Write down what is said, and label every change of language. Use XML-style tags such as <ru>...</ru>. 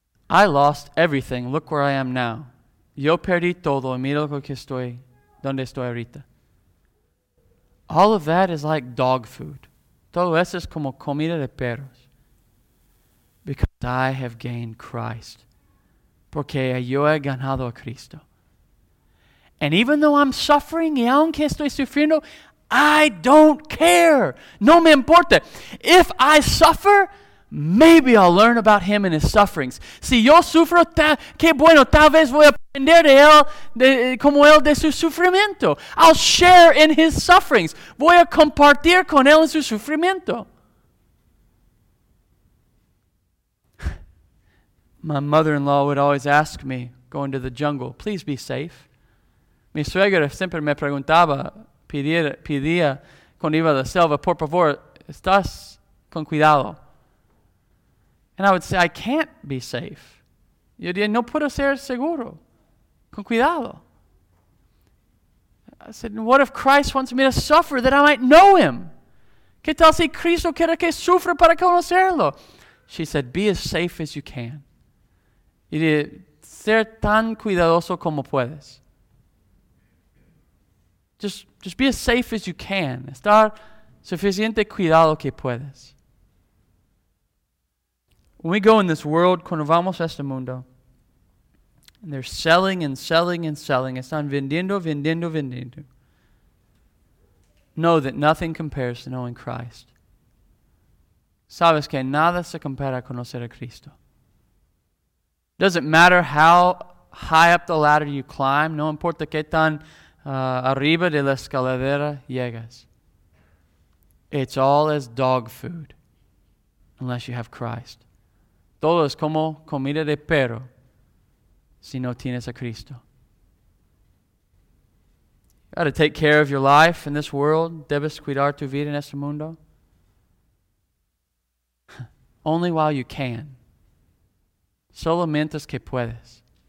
<en>I lost everything, look where I am now.</en> <es>Yo perdí todo, mira lo que estoy, donde estoy ahorita.</es> <en>All of that is like dog food.</en> <es>Todo eso es como comida de perros.</es> <en>Because I have gained Christ.</en> <es>Porque yo he ganado a Cristo.</es> <en>And even though I'm suffering,</en> <es>y aunque estoy sufriendo,</es> <en>I don't care.</en> <es>No me importa.</es> <en>If I suffer, maybe I'll learn about him and his sufferings.</en> <es>Si yo sufro, qué bueno, tal vez voy a aprender de él, como él de su sufrimiento.</es> <en>I'll share in his sufferings.</en> <es>Voy a compartir con él en su sufrimiento.</es> <en>My mother-in-law would always ask me, going to the jungle, please be safe.</en> <es>Mi suegra siempre me preguntaba, pedía cuando iba a la selva, por favor, estás con cuidado.</es> <en>And I would say, I can't be safe.</en> <es>Yo diría, no puedo ser seguro. Con cuidado.</es> <en>I said, what if Christ wants me to suffer that I might know him?</en> <es>¿Qué tal si Cristo quiere que sufra para conocerlo?</es> <en>She said, be as safe as you can.</en> <es>Yo diría, ser tan cuidadoso como puedes.</es> <en>Just be as safe as you can.</en> <es>Estar suficiente cuidado que puedes.</es> <en>When we go in this world,</en> <es>cuando vamos a este mundo,</es> <en>and they're selling and selling and selling,</en> <es>están vendiendo, vendiendo, vendiendo,</es> <en>know that nothing compares to knowing Christ.</en> <es>Sabes que nada se compara a conocer a Cristo.</es> <en>Doesn't matter how high up the ladder you climb,</en> <es>no importa qué tan arriba de la escalera llegas.</es> <en>It's all as dog food, unless you have Christ.</en> <es>Todo es como comida de perro si no tienes a Cristo.</es> <en>You got to take care of your life in this world.</en> <es>Debes cuidar tu vida en este mundo.</es> <en>Only while you can.</en> <es>solo mientras que puedes.</es>